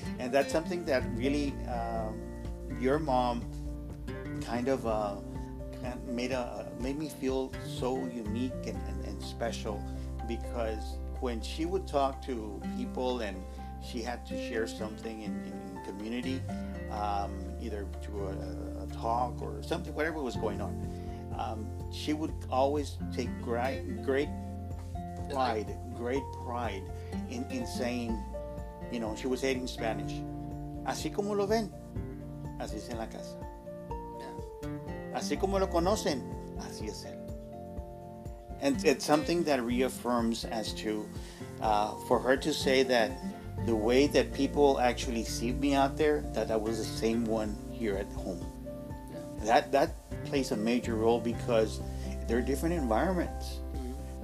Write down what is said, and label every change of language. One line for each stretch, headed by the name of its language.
English: And that's something that really your mom kind of made me feel so unique and special, because when she would talk to people and she had to share something in community, either to a talk or something, whatever was going on, She would always take great pride in saying, you know, she would say it in Spanish.
Spanish: Así como lo ven, así es en la casa. Yeah. Así como lo conocen, así es él.
English: And it's something that reaffirms as to, for her to say that the way that people actually see me out there, that I was the same one here at home. Yeah. That plays a major role because they're different environments. Mm-hmm.